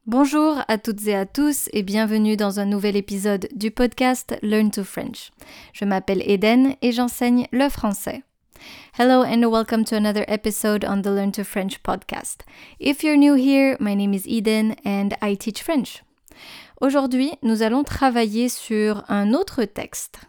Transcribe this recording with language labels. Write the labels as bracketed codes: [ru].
[fr] Bonjour à toutes et à tous et bienvenue dans un nouvel épisode du podcast Learn to French. Je m'appelle Eden et j'enseigne le français. [en] Hello and welcome to another episode on the Learn to French podcast. If you're new here, my name is Eden and I teach French. [fr] Aujourd'hui, nous allons travailler sur un autre texte.